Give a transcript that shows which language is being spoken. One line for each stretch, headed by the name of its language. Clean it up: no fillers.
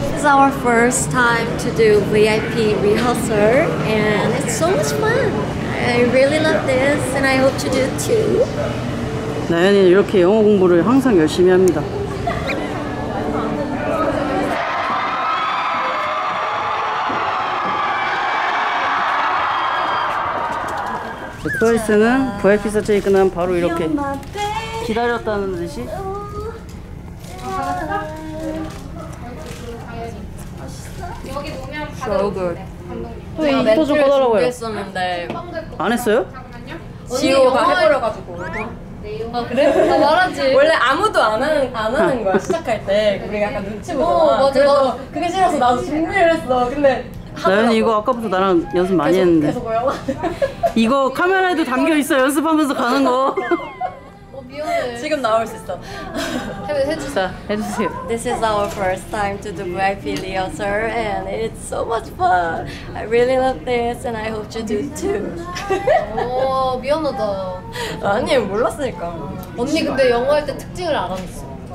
English: This is our first time to do VIP rehearsal and it's so much fun. I really love this and I hope to do it too.
Korean: 나연이 이렇게 영어 공부를 항상 열심히 합니다. 트와이스는 VIP 사진이 끝나면 바로 이렇게 기다렸다는 듯이
English: So good.
Korean: 또 이따 좀 꺼달라고 해요. 안 했어요? 지호가 해버려가지고. 아 그래? 말하지. 원래 아무도 안 하는 거야. 시작할 때 우리가 약간 눈치 보고. 어 맞아. 그게 싫어서 나도 준비를 했어. 근데 나연이 이거 아까부터 나랑 연습 많이 계속, 했는데. 계속 이거 카메라에도 담겨 있어. 연습하면서 가는 거. 지금 나올 수 있어. 해주세요.
English: This is our first time to do VIP rehearsal and it's so much fun. I really love this and I hope you do too.
Korean: 오, 미안하다. 아니, 몰랐으니까. 언니 근데 영어 할 때 특징을 알아냈어.